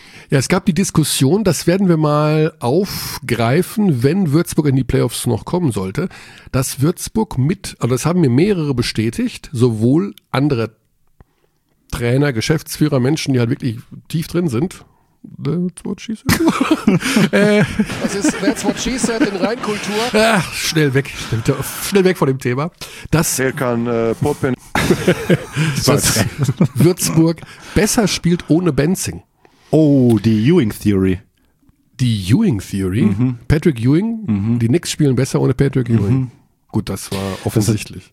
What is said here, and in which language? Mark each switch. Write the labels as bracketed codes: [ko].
[de] Ja, es gab die Diskussion, das werden wir mal aufgreifen, wenn Würzburg in die Playoffs noch kommen sollte, dass Würzburg mit, also das haben mir mehrere bestätigt, sowohl andere Trainer, Geschäftsführer, Menschen, die halt wirklich tief drin sind. [en] That's what she said. [de] Das ist [en] That's what she said [de] in Reinkultur. Ach, schnell weg von dem Thema. Das er kann poppen. Dass Würzburg besser spielt ohne Benzing. Oh, die Ewing Theory. Die Ewing Theory? Mhm. Patrick Ewing? Mhm. Die Knicks spielen besser ohne Patrick Ewing. Mhm. Gut, das war offensichtlich.